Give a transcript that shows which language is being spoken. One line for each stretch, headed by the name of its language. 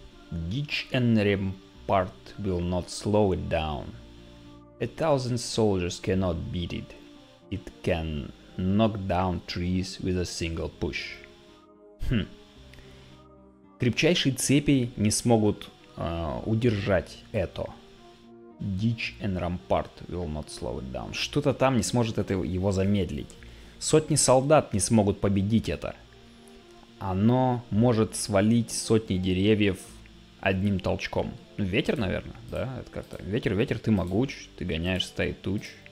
English: Ditch and rampart will not slow it down. 1,000 soldiers cannot beat it. It can knock down trees with a single push.
Russian: Крепчайшие цепи не смогут удержать это.
English: Ditch and rampart will not slow it down.
Russian: Что-то там не сможет это его замедлить. Сотни солдат не смогут победить это. Оно может свалить сотни деревьев одним толчком. Ну, ветер, наверное, да? Это как-то. Ветер, ты могуч, ты гоняешь стаи туч.